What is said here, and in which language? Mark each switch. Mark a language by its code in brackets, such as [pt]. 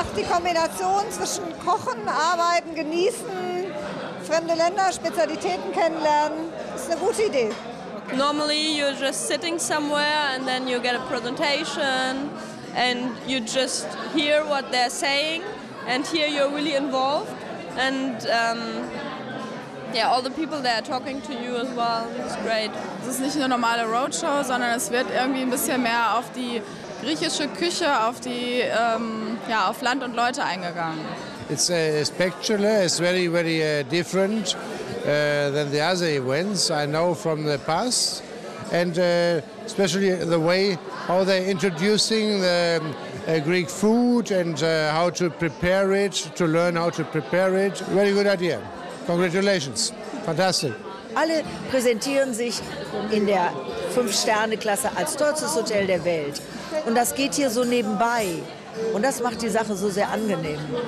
[de] Kombination zwischen Kochen, Arbeiten, Genießen, fremde Länder, Spezialitäten kennenlernen, ist eine gute Idee. [en] Normally you're just sitting somewhere and then you get a presentation and you just hear what they're saying and here you're really involved and yeah, all the people that are talking to you as well, it's great. [de] Es ist nicht eine normale Roadshow, sondern es wird irgendwie ein bisschen mehr auf die griechische Küche, auf die ja, auf Land und Leute eingegangen. [en] It's spectacular. It's very, very different than the other events I know from the past, and especially the way how they're introducing the Greek food and how to prepare it, to learn how to prepare it. Very good idea. Congratulations. Fantastic. [de] Alle präsentieren sich in der 5-Sterne-Klasse als tollstes Hotel der Welt. Und das geht hier so nebenbei. Und das macht die Sache so sehr angenehm.